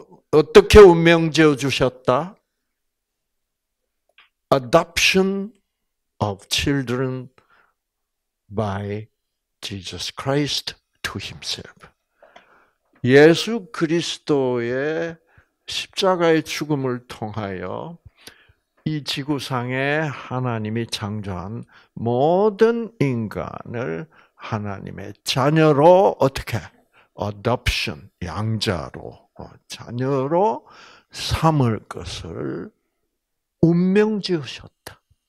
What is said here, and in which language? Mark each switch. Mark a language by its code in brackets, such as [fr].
[ko] 어떻게 운명 지어 주셨다? [en] Adoption of children by Jesus Christ to himself. [ko] 예수 그리스도의 십자가의 죽음을 통하여 이 지구상에 하나님이 창조한 모든 인간을 하나님의 자녀로 어떻게? Adoption, 양자로, 자녀로 삼을 것을 운명 지으셨다.